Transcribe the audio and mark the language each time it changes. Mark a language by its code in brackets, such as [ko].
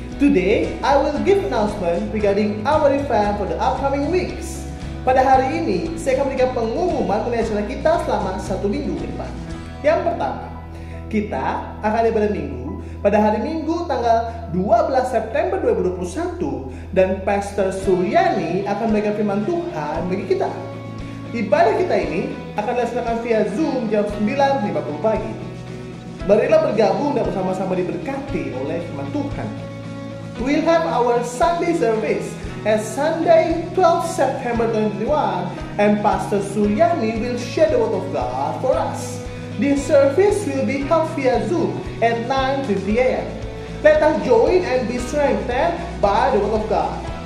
[en] Today I will give announcement regarding our event for the upcoming weeks. [id] Pada hari ini saya akan memberikan pengumuman mengenai acara kita selama 1 minggu ke depan. Yang pertama, kita akan ada pada Minggu, pada hari Minggu tanggal 12 September 2021 dan Pastor Suryani akan memberikan firman Tuhan bagi kita. Ibadah kita ini akan dilaksanakan via Zoom jam 9.50 pagi. Marilah bergabung dan bersama-sama diberkati oleh firman Tuhan. [en] We'll have our Sunday service as Sunday 12 September 2021 and Pastor Suryani will share the word of God for us. This service will be held via Zoom at 9:50 a.m. Let us join and be strengthened by the word of God.